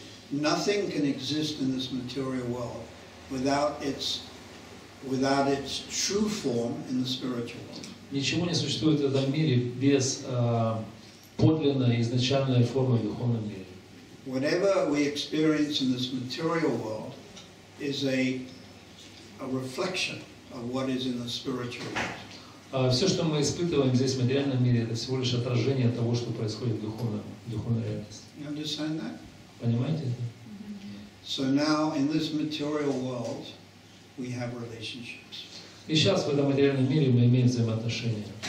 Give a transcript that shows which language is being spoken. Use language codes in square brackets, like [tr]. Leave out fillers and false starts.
[en] Nothing can exist in this material world without its true form in the spiritual world. [ru] Ничего не существует в этом мире без подлинной изначальной формы в духовном мире. [en] Whatever we experience in this material world is a reflection of what is in the spiritual world. [ru] Все, что мы испытываем здесь в материальном мире, это всего лишь отражение того, что происходит в духовной реальности. [en] You understand that? [ru] Понимаете это? [en] So now in this material world we have relationships. [ru] И сейчас в этом материальном мире мы имеем взаимоотношения.